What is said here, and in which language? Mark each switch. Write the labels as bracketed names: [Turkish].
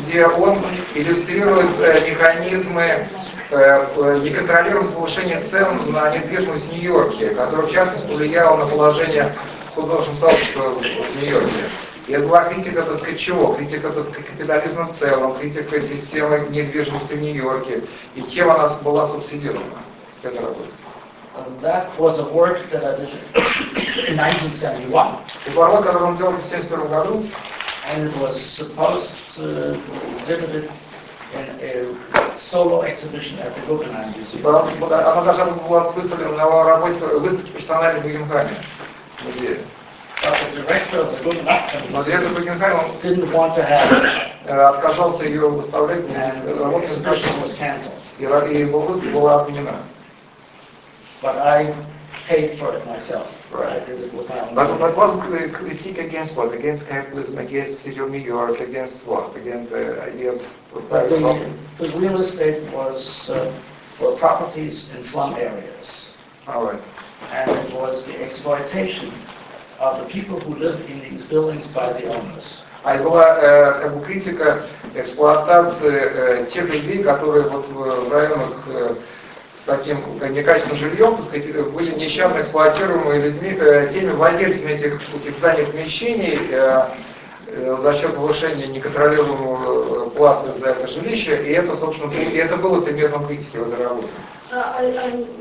[Russian] Где он иллюстрирует механизмы неконтролируемого повышения цен на недвижимость в Нью-Йорке, который в частности повлиял на положение художественного сообщества в Нью-Йорке. И это была критика, так сказать, чего? Критика, так сказать, капитализма в целом, критика системы недвижимости в Нью-Йорке. И чем она была субсидирована? Это работа. [English] That was a work that I did in 1971. And it was supposed to be exhibited in a solo exhibition at the Guggenheim Museum. But the director of the Guggenheim didn't want to have [Russian] отказался ее выставлять, и его выставка была отменена. [English] But I paid for it myself. Right. But what was the critique against what? Against capitalism, against City of New York, against what? Against the idea of the real estate was for properties in slum areas. All right. And it was the exploitation of the people who lived in these buildings by the owners. [Russian] А была как бы критика эксплуатации тех людей, которые вот в районах с таким некачественным жильем, так сказать, были нещадно эксплуатируемыми людьми, теми владельцами этих зданий помещений за счет повышения неконтролируемого платы за это жилище, и это, собственно, и это было предметом критики в этой работе.